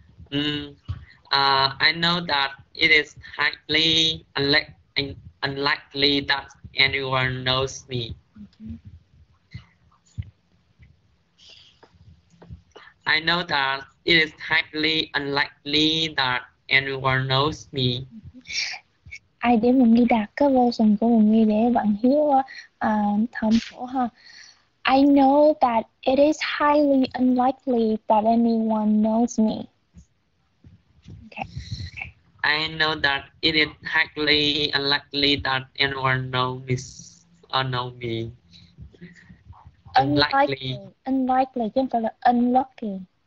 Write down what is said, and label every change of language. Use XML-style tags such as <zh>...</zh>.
<en>I know that it is highly unlikely that anyone knows me. I know that it is highly unlikely that anyone knows me.</en> <vi>Ai để mình ghi đạt cái version của mình ghi để bạn hiểu thầm phổ ha.</vi> <en>I know that it is highly unlikely that anyone knows me. Okay. I know that it is highly unlikely that anyone knows know me.</en> <vi>Unlikely, chứ không phải là unlucky.</vi>